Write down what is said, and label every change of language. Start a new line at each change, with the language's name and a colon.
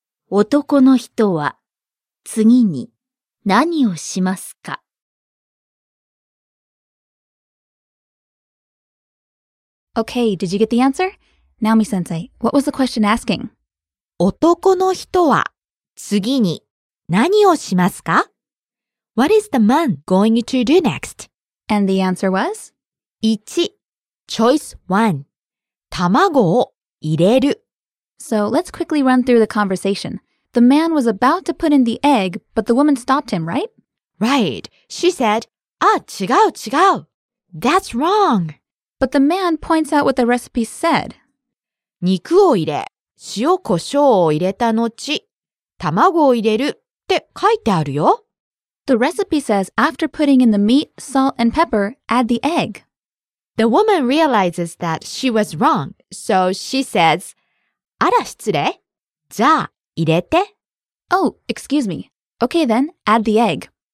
Japanese: 男の人は、次に何をしますか?
English: Okay, did you get the answer? Naomi-sensei, what was the question asking?
Japanese: 男の人は、次に、何をしますか?
English: What is the man going to do next? And the answer was? 1. Choice 1.
Japanese: 卵を入れる。
English: So let's quickly run through the conversation. The man was about to put in the egg, but the woman stopped him, right? Right. She said,
Japanese: 違う違う。
English: That's wrong. But the man points out what the recipe said.
Japanese: 肉を入れ、塩胡椒を入れた後、卵を入れる。って書いてあるよ。
English: The recipe says after putting in the meat, salt and pepper, add the egg. The woman realizes that she was wrong, so she says,
Japanese: あら失礼。じゃあ入れて。
English: Oh, excuse me. Okay then, add the egg.